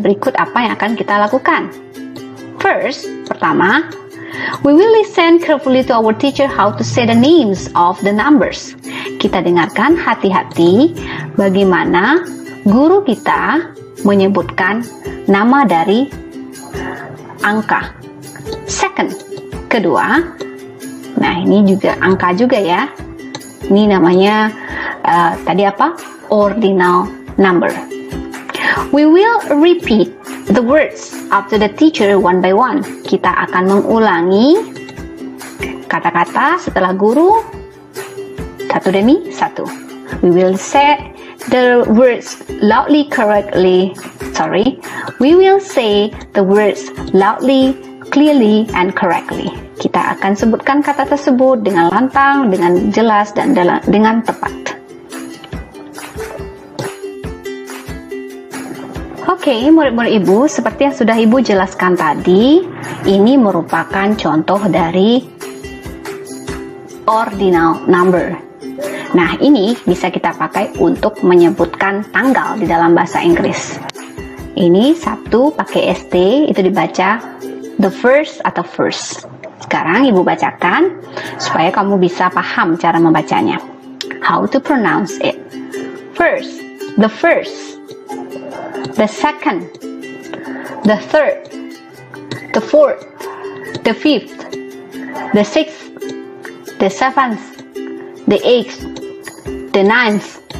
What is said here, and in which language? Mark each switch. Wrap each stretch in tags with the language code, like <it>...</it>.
<id>Berikut apa yang akan kita lakukan.</id> <en>First, pertama, we will listen carefully to our teacher how to say the names of the numbers.</en> <id>kita dengarkan hati-hati bagaimana guru kita menyebutkan nama dari angka. Second, kedua, nah ini juga angka juga ya. Ini namanya tadi apa? Ordinal number.</id> <en>We will repeat the words after the teacher one by one.</en> <id>Kita akan mengulangi kata-kata setelah guru satu demi satu.</id> <en>We will say the words loudly correctly. Sorry. We will say the words loudly, clearly, and correctly.</en> <id>Kita akan sebutkan kata tersebut dengan lantang, dengan jelas, dan dengan tepat. Oke, murid-murid ibu, seperti yang sudah ibu jelaskan tadi, ini merupakan contoh dari ordinal number. Nah, ini bisa kita pakai untuk menyebutkan tanggal di dalam bahasa Inggris. Ini Sabtu pakai ST, itu dibaca the first atau first. Sekarang ibu bacakan supaya kamu bisa paham cara membacanya.</id> <en>How to pronounce it? First, the first. The second, the third, the fourth, the fifth, the sixth, the seventh, the eighth, the ninth.</en>